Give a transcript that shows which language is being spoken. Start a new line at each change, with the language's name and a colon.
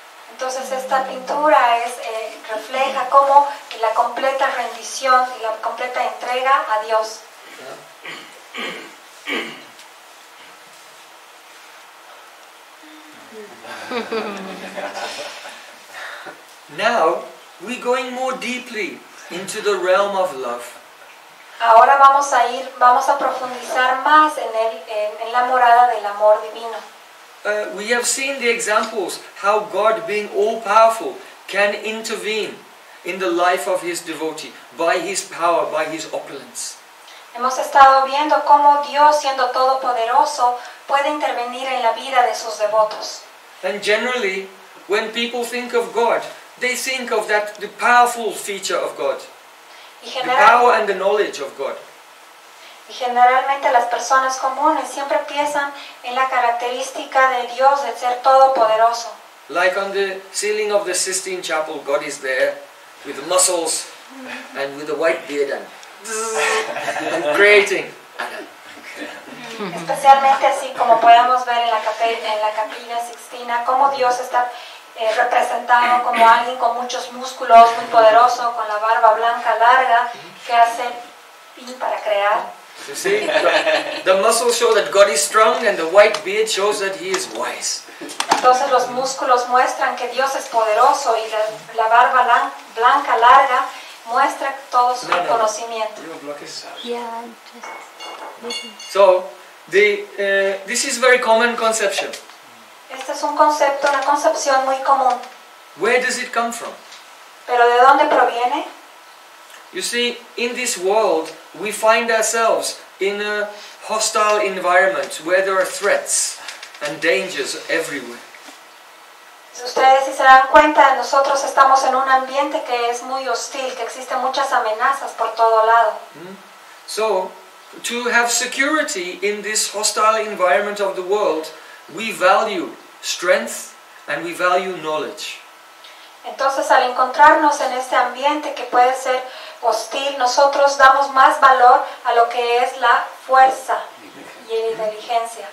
Spanish: Entonces esta pintura es refleja cómo la completa rendición y la completa entrega a Dios.
English: Now we're going more deeply into the realm of love.
Spanish: Ahora vamos a profundizar más en la morada del amor divino.
English: We have seen the examples how God, being all-powerful, can intervene in the life of His devotee by His power, by His opulence.
Spanish: Hemos estado viendo cómo Dios, siendo todopoderoso, puede intervenir en la vida de sus devotos.
English: And generally, when people think of God, they think of that the powerful feature of God, the power and the knowledge of God.
Spanish: Y generalmente las personas comunes siempre piensan en la característica de Dios de ser todopoderoso.
English: Like on the ceiling of the Sistine Chapel, God is there with muscles and with a white beard and creating.
Spanish: Especialmente así como podemos ver en la capilla Sixtina, cómo Dios está representado como alguien con muchos músculos, muy poderoso, con la barba blanca larga, que hace pin para crear.
English: You see, the muscles show that God is strong, and the white beard shows that He is wise.
Spanish: Entonces los músculos muestran que Dios es poderoso, y la barba blanca larga muestra todo su conocimiento.
English: So, this is very common conception.
Spanish: Este es un concepto, una concepción muy común.
English: Where does it come from?
Spanish: Pero ¿de dónde proviene?
English: You see, in this world, we find ourselves in a hostile environment where there are threats and dangers everywhere.
Spanish: Ustedes, si se dan cuenta, nosotros estamos en un ambiente que es muy hostil, que existen muchas amenazas por todo lado.
English: So, to have security in this hostile environment of the world, we value strength and we value knowledge.
Spanish: Entonces, al encontrarnos en este ambiente que puede ser hostil, nosotros damos más valor a lo que es la fuerza y la inteligencia.